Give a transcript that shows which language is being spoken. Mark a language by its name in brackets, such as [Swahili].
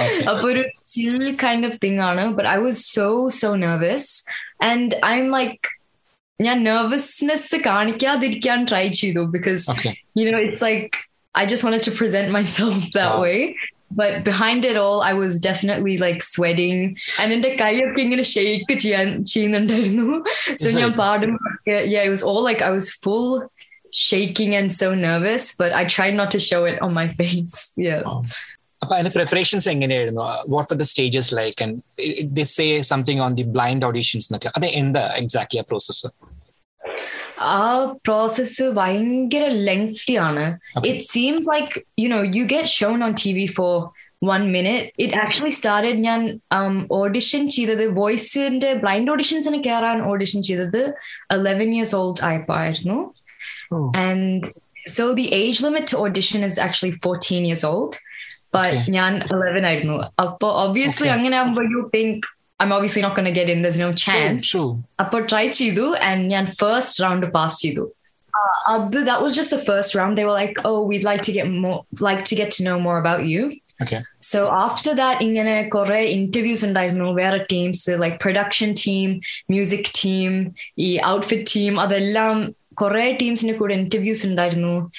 [English] അപ്പൊ ഒരു chill kind of thing ആണ്. But I was so so nervous and I am like [Malayalam] ഞാൻ nervousness കാണിക്കാതിരിക്കാൻ try ചെയ്തു. [English] Because you know it's like I just want to present myself that way. But behind it all I was definitely like sweating and [Malayalam] എന്റെ കൈയൊക്കെ ഇങ്ങനെ shake ചെയ്യുന്നുണ്ടായിരുന്നു. So ഞാൻ പാടുമ്പോൾ [English] yeah, it was all like I was full shaking and so nervous, but I tried not to show it on my face. Yeah. [Malayalam] അപ്പൊ അതിന്റെ preparations എങ്ങനെയായിരുന്നു? [English] what for the stages like and they say something on the blind auditions എന്നൊക്കെ, [Malayalam] അത് എന്താ exactly ആ process? ആ process ഭയങ്കര lengthy ആണ്. [English] It seems like you know you get shown on T V for 1 minute. It actually started [Malayalam] ഞാൻ audition ചെയ്തത് വോയിസിന്റെ blind ഓഡിഷൻസിന് കയറാൻ ഓഡിഷൻ ചെയ്തത് [English] 11 years old [Malayalam] ആയപ്പോ. [English] And so the age limit to audition is actually 14 years old. [Malayalam] But ഞാൻ 11 ആയിരുന്നു. അപ്പോൾ obviously അങ്ങനെ ആകുമ്പോൾ [English] You think I am obviously not gonna get in, there's no chance. [Malayalam] അപ്പോൾ ട്രൈ ചെയ്തു ആൻഡ് ഞാൻ ഫസ്റ്റ് റൗണ്ട് പാസ് ചെയ്തു. അത് [English] That was just the first round. They were like oh we like to get more, like to get to know more about you. So after that [Malayalam] ഇങ്ങനെ കുറെ interviews ഉണ്ടായിരുന്നു വേറെ teams, like production team, music team, ഈ outfit team, അതെല്ലാം കുറെ ടീംസിന് കൂടെ interviews ഉണ്ടായിരുന്നു.